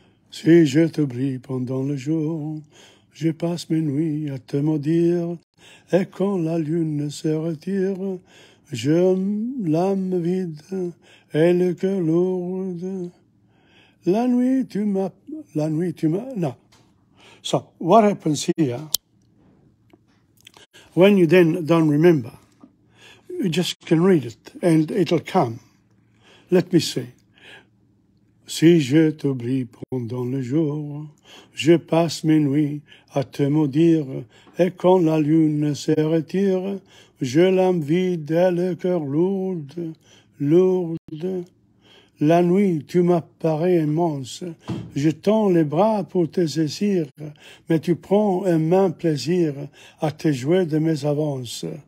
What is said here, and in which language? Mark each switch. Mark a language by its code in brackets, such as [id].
[fr] Si je t'oublie pendant le jour, je passe mes nuits à te maudire, et quand la lune se retire, je l'âme vide et le cœur lourd. La nuit tu m'as, la nuit tu m'as. [en] No. So what happens here? When you then don't remember, you just can read it and it'll come. Let me see. [fr] Si je t'oublie pendant le jour, je passe mes nuits à te maudire, et quand la lune se retire, je l'envie dès le cœur lourd, lourd. La nuit, tu m'apparais immense, je tends les bras pour te saisir, mais tu prends un main plaisir à te jouer de mes avances.